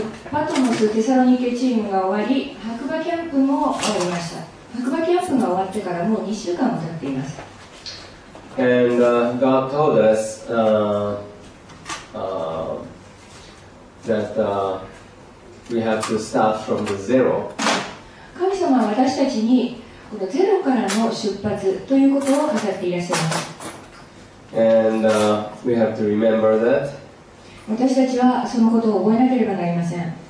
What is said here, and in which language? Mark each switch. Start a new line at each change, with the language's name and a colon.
Japanese: パトモス・テサロニケチームが終わり、白馬キャンプも終わりました。白馬キャンプが終わってからもう2週間も経っています。
English: And God told us that we have to start from the zero.
Japanese: 神様は私たちにこのゼロからの出発ということを語っていらっしゃいます。
English: And we have to remember that.
Japanese: 私たちはそのことを覚えなければなりません。